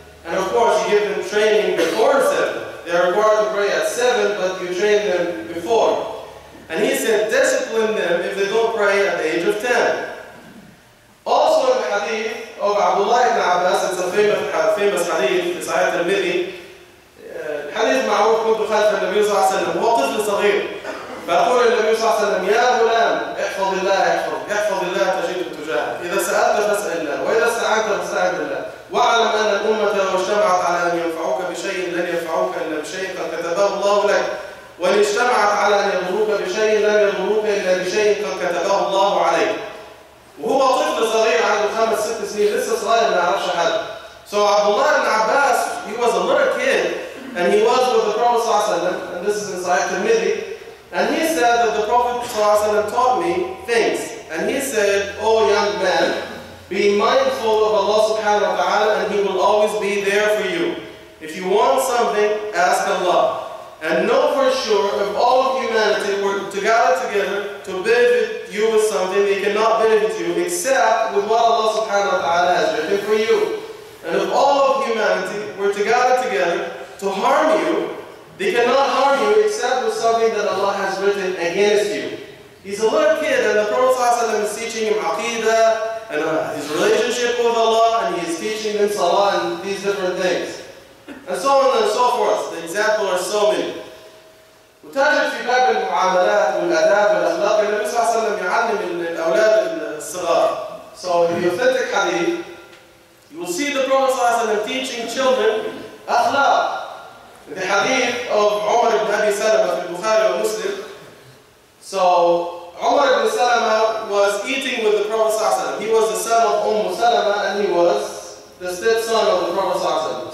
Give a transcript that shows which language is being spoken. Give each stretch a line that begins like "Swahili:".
English: And of course, you give them training before seven. They are required to pray at seven, but you train them before. And he said, discipline them if they don't pray at the age of 10. Also in the hadith of Abdullah ibn Abbas, it's a famous hadith, it's Ayat al-Midi.
Arabic: Hadith ma'ruf kuntu khalfa al-Nabi sallallahu alayhi wa sallam, wa tifl saghir. فأقول النبي صلى الله عليه وسلم يا غلام احفظ الله احفظ الله تجده تجاهك، إذا سألت فاسأل الله، وإذا استعنت فاستعن بالله، واعلم أن الأمة لو اجتمعت على أن ينفعوك بشيء لن ينفعوك إلا بشيء قد كتبه الله لك، وإن اجتمعت على أن يضروك بشيء لن يضروك إلا بشيء قد كتبه الله عليك. وهو طفل صغير عنده خمس ست سنين لسه صغير ما يعرفش حد.
English: So Abdullah ibn Abbas, he was a little kid and he was with the Prophet صلى الله عليه وسلم, and this is in Sahih Tirmidhi. And he said that the Prophet ﷺ taught me things. And he said, O young man, be mindful of Allah subhanahu wa ta'ala and He will always be there for you. If you want something, ask Allah. And know for sure, if all of humanity were to gather together to benefit you with something, they cannot benefit you except with what Allah subhanahu wa ta'ala has written for you. And if all of humanity were to gather together to harm you, they cannot harm you except with something that Allah has written against you. He's a little kid and the Prophet is teaching him aqidah and his relationship with Allah, and he is teaching him salah and these different things. And so on and so forth. The examples are so many.
Arabic: وتجد في باب المعاملات والاداب والاخلاق النبي صلى الله عليه وسلم يعلم الاولاد الصغار.
English: So in the authentic hadith, you will see the Prophet teaching children akhlaq. In the hadith of Umar ibn Abi Salama in Bukhari and Muslim, so Umar ibn Salama was eating with the Prophet. He was the son of Umm Salama and he was the stepson of the Prophet.